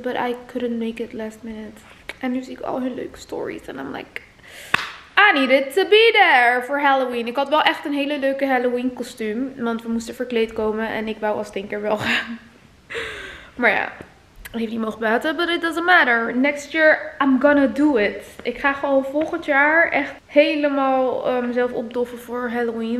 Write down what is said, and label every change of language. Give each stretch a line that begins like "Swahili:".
English: But I couldn't make it last minute.
Dutch: En nu zie ik al hun leuke stories.
English: En I'm like, I needed to be there for Halloween.
Dutch: Ik had wel echt een hele leuke Halloween kostuum. Want we moesten verkleed komen. En ik wou als Tinker wel gaan. Maar ja, jullie mogen buiten.
English: But it doesn't matter. Next year, I'm gonna do it.
Dutch: Ik ga gewoon volgend jaar echt helemaal mezelf opdoffen voor Halloween.